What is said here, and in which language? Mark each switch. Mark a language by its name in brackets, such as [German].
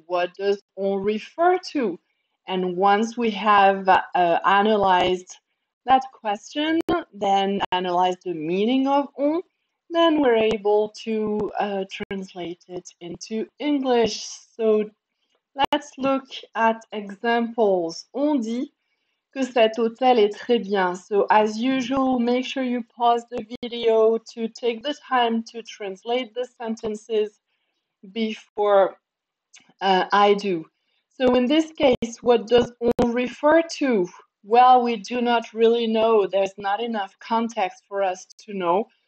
[English] What does on refer to? And once we have analyzed that question, then analyze the meaning of on, then we're able to translate it into English. So let's look at examples. [French] On dit que cet hôtel est très bien. [English] So as usual, make sure you pause the video to take the time to translate the sentences before I do. So in this case, what does on refer to? Well, we do not really know. There's not enough context for us to know.